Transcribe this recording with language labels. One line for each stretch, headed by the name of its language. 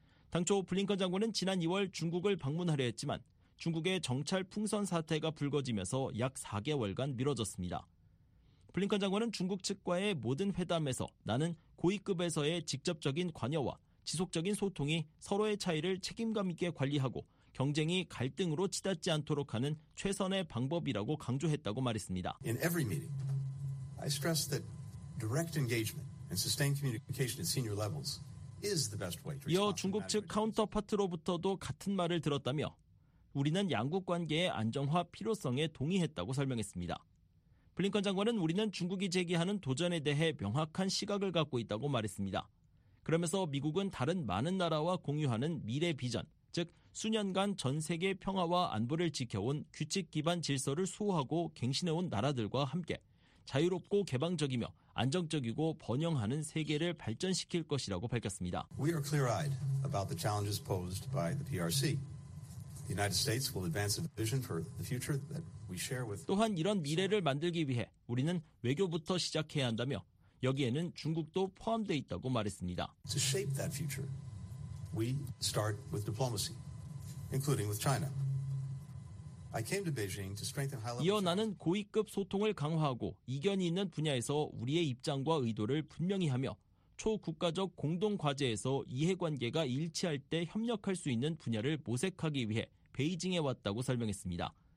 Korean: 당초 블링컨 장관은 지난 2월 중국을 방문하려 했지만 중국의 정찰 풍선 사태가 불거지면서 약 4개월간 미뤄졌습니다. 블링컨 장관은 중국 측과의 모든 회담에서 나는 고위급에서의 직접적인 관여와 지속적인 소통이 서로의 차이를 책임감 있게 관리하고 경쟁이 갈등으로 치닫지 않도록 하는 최선의 방법이라고 강조했다고 말했습니다.
English: In every meeting, I stress that direct engagement and sustained communication at senior levels is the best way to respond.
Korean: 이어 중국 측 카운터파트로부터도 같은 말을 들었다며 우리는 양국 관계의 안정화 필요성에 동의했다고 설명했습니다. 블링컨 장관은 우리는 중국이 제기하는 도전에 대해 명확한 시각을 갖고 있다고 말했습니다. 그러면서 미국은 다른 많은 나라와 공유하는 미래 비전, 즉 수년간 전 세계 평화와 안보를 지켜온 규칙 기반 질서를 수호하고 갱신해온 나라들과 함께 자유롭고 개방적이며 안정적이고 번영하는 세계를 발전시킬 것이라고 밝혔습니다.
English: We are clear-eyed about the challenges posed by the PRC. The United States will advance a vision for the future that we share with.
Korean: 또한 이런 미래를 만들기 위해 우리는 외교부터 시작해야 한다며 여기에는 중국도 포함돼 있다고 말했습니다.
English: To shape that future, we start with diplomacy, including with China. I came to Beijing to strengthen high-level.
Korean: 이어 나는 고위급 소통을 강화하고 이견이 있는 분야에서 우리의 입장과 의도를 분명히 하며 초국가적 공동 과제에서 이해관계가 일치할 때 협력할 수 있는 분야를 모색하기 위해 베이징에 왔다고 설명했습니다.